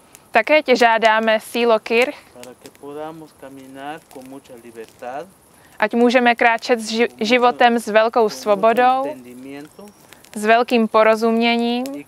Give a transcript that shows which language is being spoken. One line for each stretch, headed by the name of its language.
Czech: Také tě žádáme, sílo Kirch.
Spanish: Para que podamos caminar con mucha libertad.
Czech: Ať můžeme kráčet s životem s velkou svobodou, s velkým porozuměním.